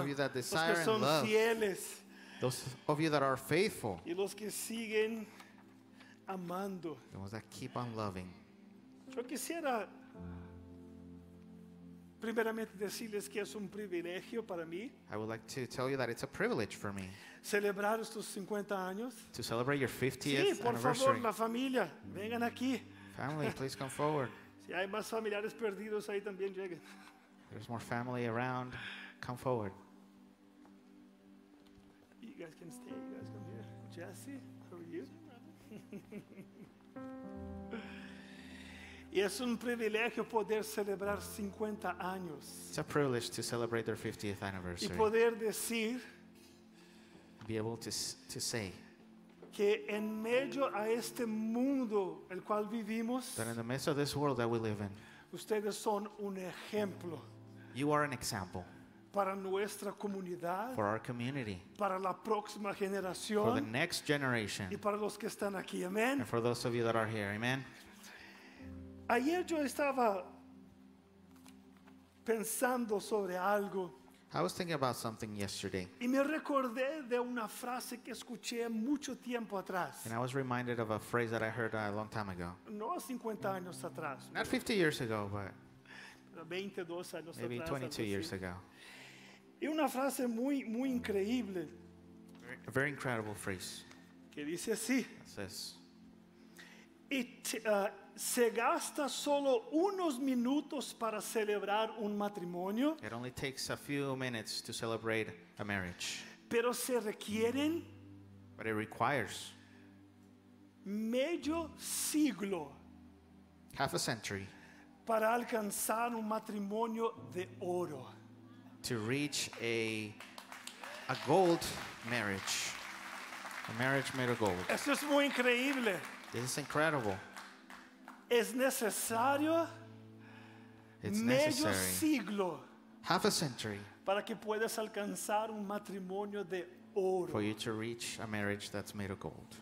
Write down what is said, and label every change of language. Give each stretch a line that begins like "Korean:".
English: of you that desire
Spanish: los que son
English: and love,
Spanish: fieles,
English: those of you that are faithful,
Spanish: y los que siguen amando,
English: the ones that keep on loving.
Spanish: Yo quisiera primeramente decirles que es un privilegio para mí.
English: I would like to tell you that it's a privilege for me.
Spanish: Celebrar estos 50 años.
English: To celebrate your 50th
Spanish: sí, por
English: anniversary.
Spanish: Favor, la familia, vengan aquí.
English: Family, please come forward.
Spanish: Si hay más familiares perdidos ahí también lleguen.
English: There's more family around. Come forward. You guys can stay. You guys come here. Jesse, how are you?
Spanish: Y es un privilegio poder celebrar 50 años.
English: It's a privilege to celebrate their 50th anniversary.
Spanish: Y poder decir,
English: be able to say,
Spanish: que en medio a este mundo el cual vivimos,
English: that in the midst of this world that we live in,
Spanish: ustedes son un ejemplo.
English: You are an example.
Spanish: Para nuestra comunidad.
English: For our community.
Spanish: Para la próxima generación.
English: For the next generation.
Spanish: Y para los que están aquí, amen.
English: And for those of you that are here, amen.
Spanish: Ayer yo estaba pensando sobre algo.
English: I was thinking about something yesterday.
Spanish: Y me recordé de una frase que escuché mucho tiempo atrás.
English: And I was reminded of a phrase that I heard a long time ago.
Spanish: No 50 años atrás.
English: Not 50 years ago, but
Spanish: 22 años
English: maybe
Spanish: atrás,
English: 22 years ago.
Spanish: Y una frase muy, muy increíble.
English: A very incredible phrase.
Spanish: Que dice así.
English: It says,
Spanish: se gasta solo unos minutos para celebrar un matrimonio.
English: It only takes a few minutes to celebrate a marriage.
Spanish: Pero se requieren.
English: But it requires.
Spanish: Medio siglo.
English: Half a century.
Spanish: Para alcanzar un matrimonio de oro.
English: To reach a gold marriage. A marriage made of gold.
Spanish: Eso es muy increíble.
English: This is incredible.
Spanish: Es necesario medio siglo,
English: half a century,
Spanish: para que puedas alcanzar un matrimonio de oro.
English: For you to reach a marriage that's made of gold.